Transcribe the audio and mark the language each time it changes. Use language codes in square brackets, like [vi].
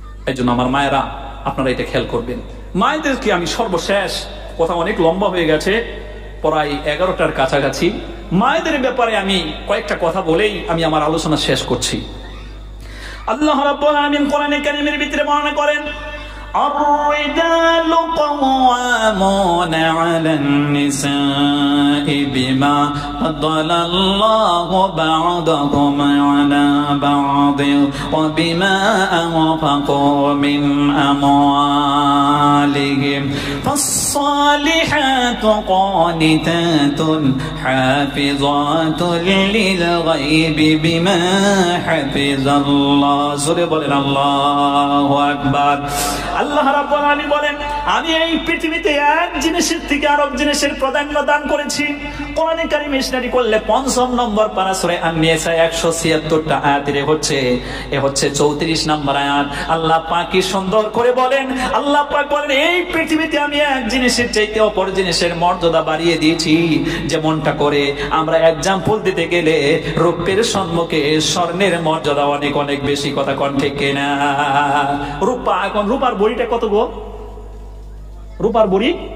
[bn] এই জন্য আমার মায়েরা আপনারা এটা খেয়াল করবেন। মায়েদেরকে আমি সর্বশেষ, কথা অনেক লম্বা হয়ে গেছে, প্রায় 11টার কাছাকাছি, মায়েদের ব্যাপারে আমি কয়েকটা কথা বলেই আমি আমার আলোচনা শেষ করছি। আল্লাহ রাব্বুল আলামিন কোরআনে কারীমের ভিতরে বর্ণনা করেন, [ar] الرجال قوامون على النساء بما فضل الله بعضهم على بعض وبما أنفقوا من أموالهم فالصالحات قانتات حافظات للغيب بما حفظ الله سبحان الله أكبر [bn] আল্লাহ রাব্বুল আলামিন বলেন আমি এই পৃথিবীতে এক জিনিসের থেকে আরেক জিনিসের প্রাধান্য দান করেছি কোরআনে কারীম মিশনারি করলে পঞ্চম নম্বর পারা সূরা আন-নিসা 176 টা আয়াতে হচ্ছে এ হচ্ছে 34 নম্বর আয়াত আল্লাহ পাক কি সুন্দর করে বলেন আল্লাহ পাক বলেন এই পৃথিবীতে আমি এক জিনিসের চাইতে অপর জিনিসের মর্যাদা বাড়িয়ে দিয়েছি যেমনটা করে আমরা एग्जांपल দিতে গেলে রূপের সম্মুখে স্বর্ণের মর্যাদা অনেক অনেক বেশি কথা কোন ঠিক কিনা রূপা এখন রূপার বড়িটা কত গো রূপার বড়ি